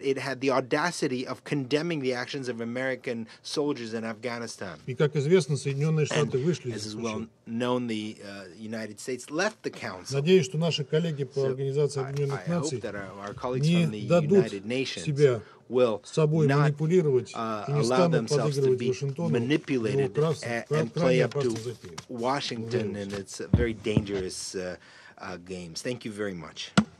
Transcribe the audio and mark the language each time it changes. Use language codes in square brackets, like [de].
[en] it had the audacity of condemning the actions of American soldiers in Afghanistan. And as is well known, the United States left the council. [ru] Надеюсь, что наши коллеги по организации Объединенных Наций [en] I hope that our colleagues from the United Nations will not allow themselves to be manipulated and play up to Washington in its very dangerous games. Thank you very much.